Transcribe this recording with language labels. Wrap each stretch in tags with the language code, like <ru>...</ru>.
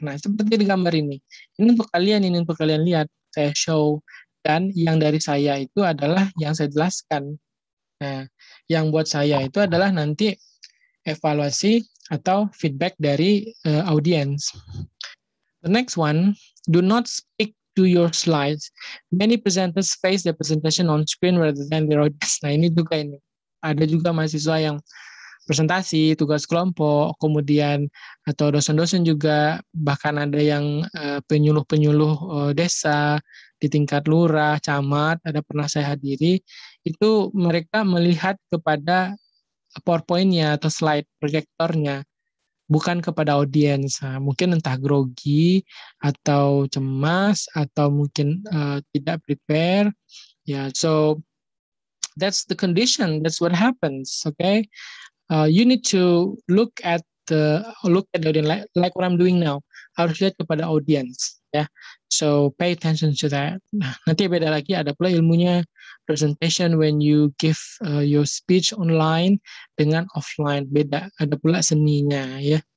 <id>Nah, seperti di gambar ini untuk kalian, ini untuk kalian lihat, saya show, dan yang dari saya itu adalah yang saya jelaskan. Nah, yang buat saya itu adalah nanti evaluasi atau feedback dari audience.</id> <en>The next one, do not speak to your slides. Many presenters face their presentation on screen rather than their audience.</en> <id>Nah, ini juga ini. Ada juga mahasiswa yang presentasi, tugas kelompok, kemudian atau dosen-dosen juga, bahkan ada yang penyuluh-penyuluh desa, di tingkat lurah, camat, ada pernah saya hadiri, itu mereka melihat kepada PowerPoint-nya atau slide proyektornya, bukan kepada audiens. Nah, mungkin entah grogi, atau cemas, atau mungkin tidak prepare.</id> <en>Yeah, so, that's the condition, that's what happens, okay? You need to look at the audience, like what I'm doing now,</en> <id>harus lihat kepada audiens.</id> <en>Yeah. So pay attention to that.</en> <id>Nah, nanti beda lagi, ada pula ilmunya</id> <en>presentation when you give your speech online</en> <id>dengan offline, beda, ada pula seninya ya.</id>